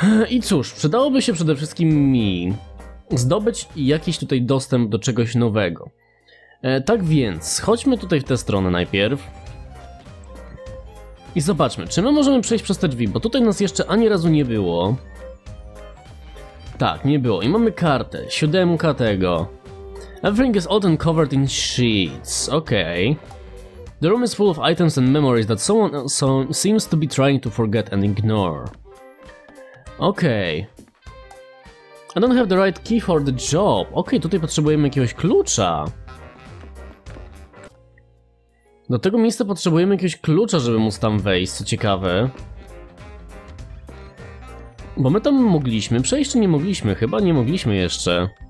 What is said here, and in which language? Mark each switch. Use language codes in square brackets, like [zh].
[pl] I cóż, przydałoby się przede wszystkim mi zdobyć jakiś tutaj dostęp do czegoś nowego. Tak więc, chodźmy tutaj w tę stronę najpierw. I zobaczmy, czy my możemy przejść przez te drzwi, bo tutaj nas jeszcze ani razu nie było. Tak, nie było. I mamy kartę, 7 tego. [en] Everything is odd and covered in sheets. Okay. The room is full of items and memories that someone else seems to be trying to forget and ignore. Okay. I don't have the right key for the job. [pl] Okay, tutaj potrzebujemy jakiegoś klucza. Do tego miejsca potrzebujemy jakiegoś klucza, żeby móc tam wejść, co ciekawe. Bo my tam mogliśmy przejść, czy nie mogliśmy? Chyba nie mogliśmy jeszcze.